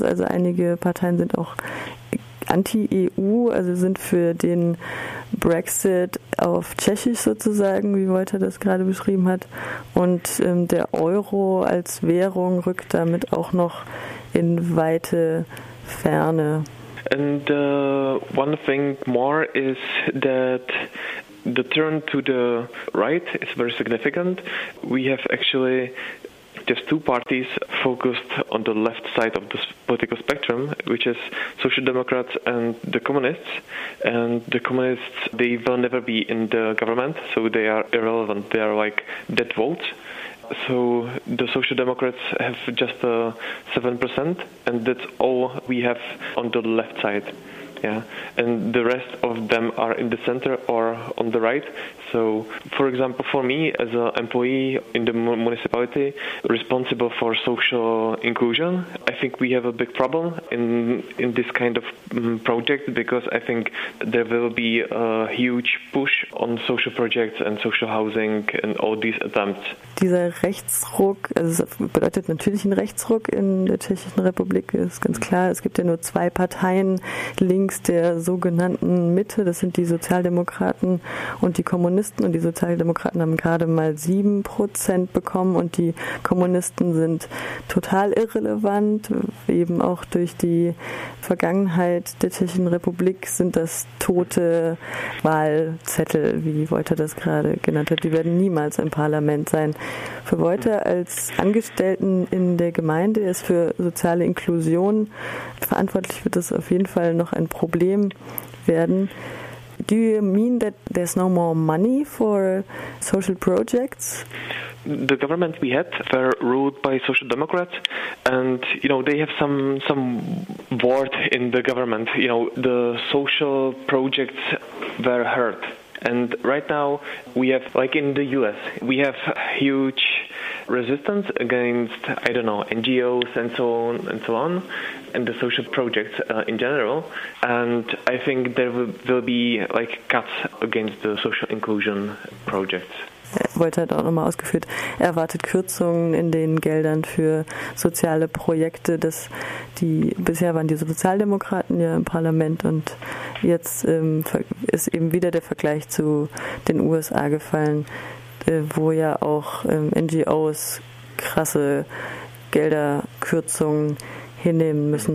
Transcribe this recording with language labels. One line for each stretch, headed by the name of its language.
German: Also einige Parteien sind auch anti-EU, also sind für den Brexit auf Tschechisch sozusagen, wie Wojta das gerade beschrieben hat. Und der Euro als Währung rückt damit auch noch in weite Ferne.
English: And one thing more is that the turn to the right is very significant. We have actually just two parties focused on the left side of the political spectrum, which is Social Democrats and the Communists. And the Communists, they will never be in the government, so they are irrelevant. They are like dead votes. So the Social Democrats have just 7%, and that's all we have on the left side. Yeah, and the rest of them are in the center or on the right. So, for example, for me as an employee in the municipality responsible for social inclusion, I think we have a big problem in this kind of project, because I think there will be a huge push on social projects and social housing and all these attempts.
German: Dieser Rechtsruck, also es bedeutet natürlich einen Rechtsruck in der Tschechischen Republik, ist ganz klar. Es gibt ja nur zwei Parteien, links der sogenannten Mitte, das sind die Sozialdemokraten und die Kommunisten. Und die Sozialdemokraten haben gerade mal 7% bekommen und die Kommunisten sind total irrelevant. Eben auch durch die Vergangenheit der Tschechischen Republik sind das tote Wahlzettel, wie Wojta das gerade genannt hat. Die werden niemals im Parlament sein. Für Wojta als Angestellten in der Gemeinde ist für soziale Inklusion verantwortlich, wird das auf jeden Fall noch ein Problem werden.
English: Do you mean that there's no more money for social projects? The government we had were ruled by Social Democrats, and you know they have some word in the government. You know, the social projects were hurt. And right now we have, like in the US, we have huge resistance against, I don't know, NGOs and so on and so on, and the social projects in general. And I think there will be like cuts against the social inclusion projects.
German: Wojta hat auch nochmal ausgeführt, er erwartet Kürzungen in den Geldern für soziale Projekte. Bisher waren die Sozialdemokraten ja im Parlament und jetzt ist eben wieder der Vergleich zu den USA gefallen, wo ja auch NGOs krasse Gelderkürzungen hinnehmen müssen.